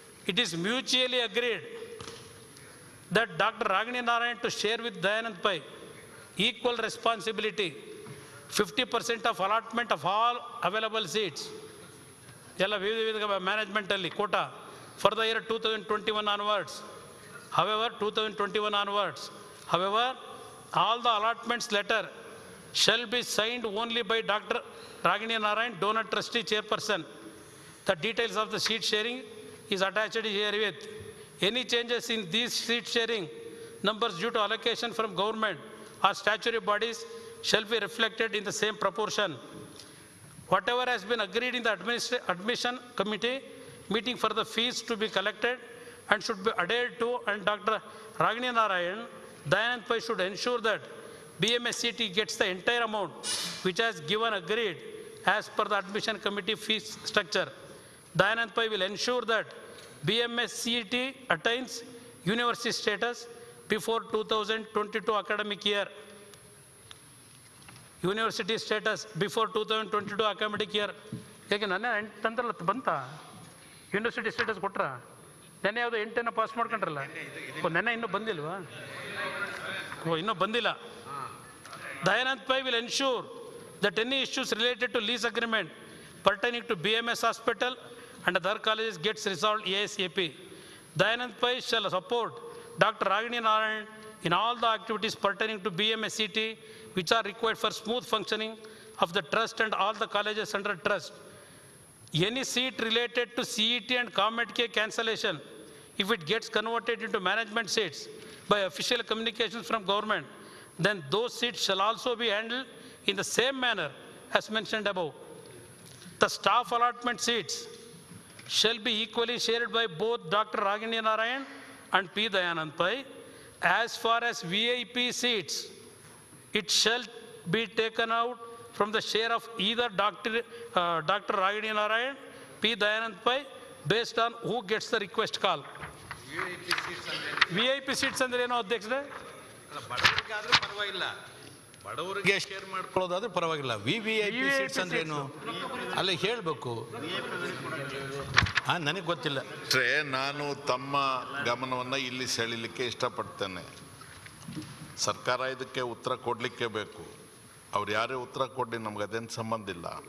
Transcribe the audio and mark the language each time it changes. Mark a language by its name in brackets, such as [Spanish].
[English] it is mutually agreed that doctor Ragini Narayan to share with Dayanand Pai equal responsibility 50% of allotment of all available seats [Kannada] ಎಲ್ಲ ವಿವಿಧ ವಿವಿಧ ಮ್ಯಾನೇಜ್ಮೆಂಟಲ್ಲಿ [English] Quota for the year 2021 onwards. However 2021 onwards however all the allotments letter shall be signed only by doctor Ragini Narayan donor trustee chairperson. The details of the seat sharing is attached herewith. Any changes in these seat sharing numbers due to allocation from government or statutory bodies shall be reflected in the same proportion. Whatever has been agreed in the admission committee meeting for the fees to be collected and should be adhered to, and Dr. Ragini Narayan Dayanand Pai should ensure that BMSCT gets the entire amount which has given agreed as per the admission committee fees structure. Dayanand Pai will ensure that BMSCET attains university status before 2022 academic year. University status before 2022 academic year. [Kannada] ಯಾಕೆ ನನ್ನ ತಂದ್ರಲ್ಲ ಬಂತ university status ಕೊಟ್ರ ನೆನ್ನೆ ಯಾವುದು ಎಂಟನ್ನು pass ಮಾಡ್ಕೊಂಡ್ರಲ್ಲ ನೆನ್ನೆ ಇನ್ನೂ ಬಂದಿಲ್ವಾ? ಓ ಇನ್ನೂ ಬಂದಿಲ್ಲ. [English] Dayanand Pai will ensure that any issues related to lease agreement pertaining to BMS hospital and other colleges gets resolved ASAP. Dayanand Pai shall support Dr. Ragini Narayan in all the activities pertaining to BMSCT which are required for smooth functioning of the trust and all the colleges under trust. Any seat related to CET and Comet K cancellation, if it gets converted into management seats by official communications from government, then those seats shall also be handled in the same manner as mentioned above. The staff allotment seats shall be equally shared by both Dr. Ragini Narayan and P. Dayanand Pai. As far as VIP seats, it shall be taken out from the share of either Dr. Ragini Narayan, P. Dayanand Pai, based on who gets the request call. [Kannada] VIP seats andre eno adhyakshare? Badavarigadru paravagilla. ಬಡವರಿಗೆ share ಮಾಡ್ಕೊಳ್ಳೋದಾದ್ರೆ ಪರವಾಗಿಲ್ಲ. VVIP seats ಅಂದ್ರೆ ಏನು ಅಲ್ಲಿ ಹೇಳಬೇಕು? ನನಗೆ ಗೊತ್ತಿಲ್ಲ. ನಾನು ತಮ್ಮ ಗಮನವನ್ನು ಇಲ್ಲಿ ಸೆಳಿಲಿಕ್ಕೆ ಇಷ್ಟಪಡ್ತೇನೆ. ಸರ್ಕಾರ ಇದಕ್ಕೆ ಉತ್ತರ ಕೊಡಲಿಕ್ಕೆ ಬೇಕು. ಅವ್ರು ಯಾರೇ ಉತ್ತರ ಕೊಡಲಿ ನಮ್ಗೆ ಅದೇನು ಸಂಬಂಧ ಇಲ್ಲ.